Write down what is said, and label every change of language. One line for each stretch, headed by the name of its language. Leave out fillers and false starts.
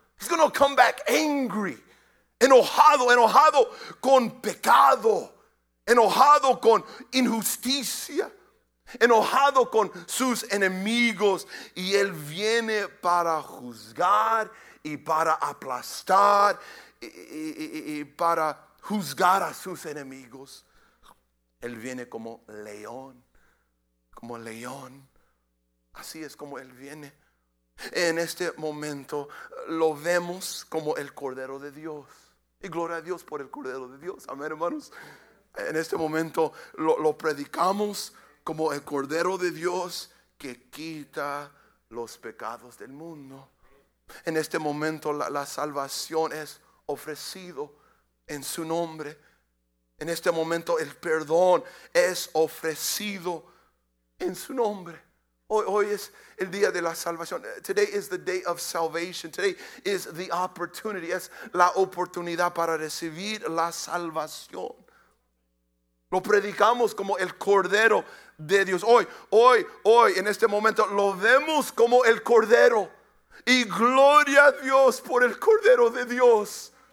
English: He's going to come back angry.
Spanish: Enojado con pecado, enojado con injusticia, enojado con sus enemigos. Y Él viene para juzgar y para aplastar y para juzgar a sus enemigos. Él viene como león, así es como Él viene. En este momento lo vemos como el Cordero de Dios. Y gloria a Dios por el Cordero de Dios. Amén, hermanos. En este momento lo predicamos como el Cordero de Dios que quita los pecados del mundo. En este momento la salvación es ofrecido en su nombre. En este momento el perdón es ofrecido en su nombre. Hoy es el día de la salvación.
English: Today is the day of salvation. Today is the opportunity.
Spanish: Es la oportunidad para recibir la salvación. Lo predicamos como el Cordero de Dios. Hoy, en este momento lo vemos como el Cordero. Y gloria a Dios por el Cordero de Dios.